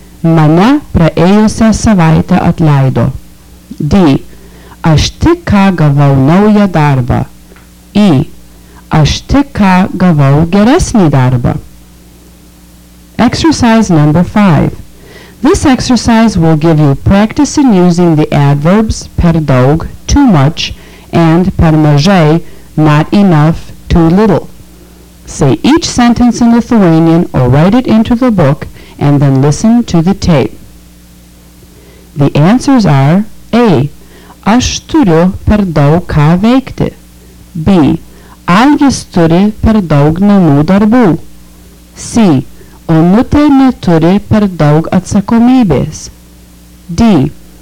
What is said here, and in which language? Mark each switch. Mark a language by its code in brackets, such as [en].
[lt] Mane praėjusią savaitę atleido. D. Aš tik ką gavau naują darbą. E. Aš tik ką gavau geresnį darbą. [en] Exercise number five. This exercise will give you practice in using the adverbs [lt] per daug, [en] too much, and [lt] per mažai, [en] not enough, too little. Say each sentence in Lithuanian or write it into the book and then listen to the tape. The answers are A. [lt] Aš turiu per daug ką veikti. B. Algis turi per daug namų darbų. C. Onutė neturi per daug atsakomybės. D.